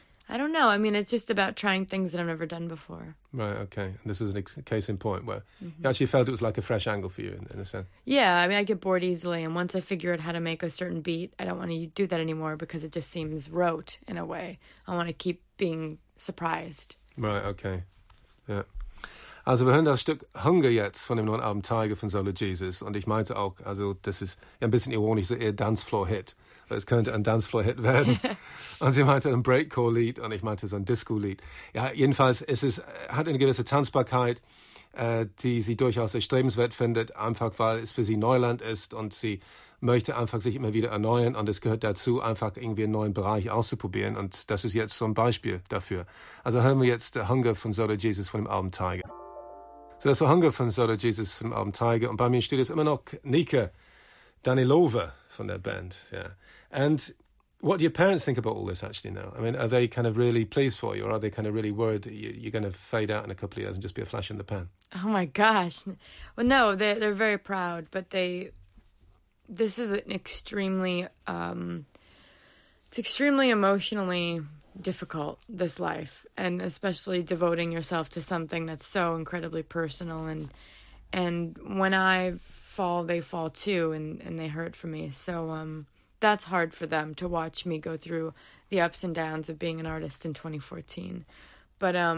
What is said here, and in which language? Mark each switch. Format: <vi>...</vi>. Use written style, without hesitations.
<en>I don't know. I mean, it's just about trying things that I've never done before. Right, okay. And this is a case in point where mm-hmm. you actually felt it was like a fresh angle for you, in a sense. Yeah, I mean, I get bored easily. And once I figure out how to make a certain beat, I don't want to do that anymore because it just seems rote in a way. I want to keep being surprised. Right, okay. Yeah.</en> <de>Also wir hören das Stück Hunger jetzt von dem neuen Album Tiger von Zola Jesus. Und ich meinte auch, also das ist ein bisschen ironisch, so eher Dancefloor-Hit. Es könnte ein Dancefloor-Hit werden. Und sie meinte ein Breakcore-Lied und ich meinte so ein Disco-Lied. Ja, jedenfalls hat eine gewisse Tanzbarkeit, die sie durchaus erstrebenswert findet, einfach weil es für sie Neuland ist und sie möchte einfach sich immer wieder erneuern. Und es gehört dazu, einfach irgendwie einen neuen Bereich auszuprobieren. Und das ist jetzt so ein Beispiel dafür. Also hören wir jetzt Hunger von Zola Jesus von dem Album Tiger. So, das war Hunger von Zola Jesus vom Album Tiger. Und bei mir steht jetzt immer noch Nika Danilova von der Band.</de> <en>Yeah. And what do your parents think about all this actually now? I mean, are they kind of really pleased for you? Or are they kind of really worried that you're going to fade out in a couple of years and just be a flash in the pan? Oh my gosh. Well, no, they're very proud. But this is an extremely, it's extremely emotionally difficult, this life, and especially devoting yourself to something that's so incredibly personal, and when I fall, they fall too, and they hurt for me, so that's hard for them to watch me go through the ups and downs of being an artist in 2014, but</en>